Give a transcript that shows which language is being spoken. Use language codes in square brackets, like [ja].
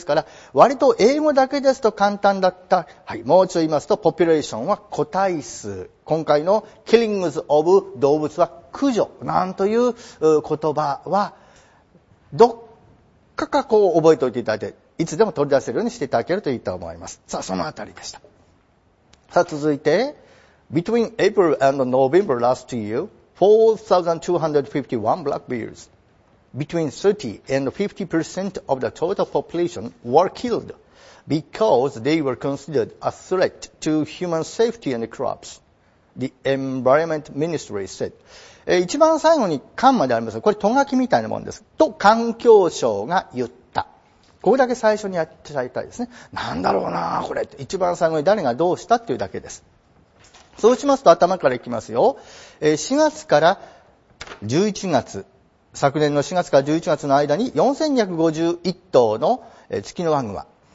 [ja] ですから割と英語だけですと簡単だった、はい、もう一度言いますと、ポピュレーションは個体数、今回のキリングズオブ動物は駆除なんという言葉はどっかかこう覚えておいていただいて、いつでも取り出せるようにしていただけるといいと思います。さあそのあたりでした。 [en] さあ続いて、 Between April and November last year 4,251 black bears Between 30 and 50% of the total population were killed because they were considered a threat to human safety and crops The Environment Ministry said [ja] 一番最後に缶までありますが、これトガキみたいなものですと環境省が言った。ここだけ最初にやっていただきたいですね。なんだろうなぁ、これ。一番最後に誰がどうしたっていうだけです。そうしますと頭からいきますよ。 4月から11月、昨年の4月から11月の間に4251頭の月のワグマ。